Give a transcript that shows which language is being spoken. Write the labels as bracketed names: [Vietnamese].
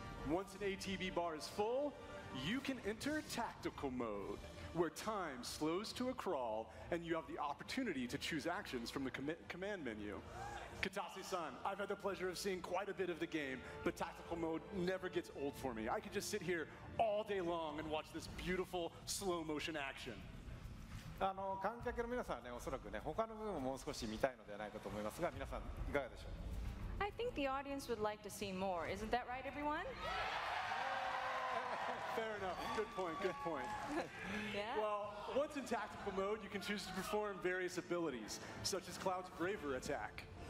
[English] Once an ATB bar is full, you can enter tactical mode, where time slows to a crawl and you have the opportunity to choose actions from the command menu. Kitase-san, I've had the pleasure of seeing quite a bit of the game, but tactical mode never gets old for me. I could just sit here all day long and watch this beautiful slow motion action. [Japanese] 観客の皆さんはね、おそらくね、他の部分ももう少し見たいのではないかと思いますが、皆さんいかがでしょう？ [English] I think the audience would like to see more. Isn't that right, everyone? Fair enough. Good point. Yeah. Well, once in tactical mode, you can choose to perform various abilities, such as Cloud's Braver attack.